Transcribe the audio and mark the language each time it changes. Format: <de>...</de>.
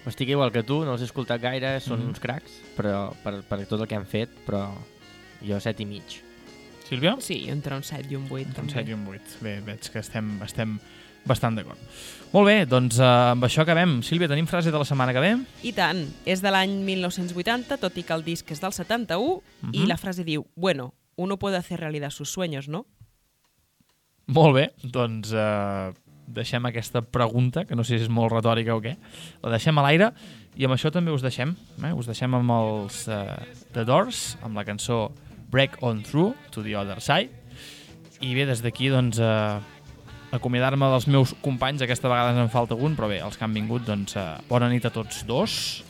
<ca>Estic igual que tu, no els he escoltat gaire, són uns cracs, però per tot el que han fet, però jo 7.5. Sílvia? Sí, entre un 7 i un 8. Un 7 i un 8. Bé, veig que estem bastant d'acord. Molt bé, doncs amb això acabem. Sílvia, tenim frase de la setmana que ve? I tant. És de l'any 1980, tot i que el disc és del 71, i la frase diu, bueno...</ca> <es>Uno puede hacer realidad sus sueños, ¿no?</es> <ca>Molt bé, doncs deixem aquesta pregunta, que no sé si és molt retòrica o què, la deixem a l'aire i amb això també us deixem. Us deixem amb els The Doors, amb la cançó Break On Through to the Other Side. I bé, des d'aquí, doncs, acomiadar-me dels meus companys, aquesta vegada en falta un, però bé, els que han vingut, doncs, bona nit a tots dos.</ca>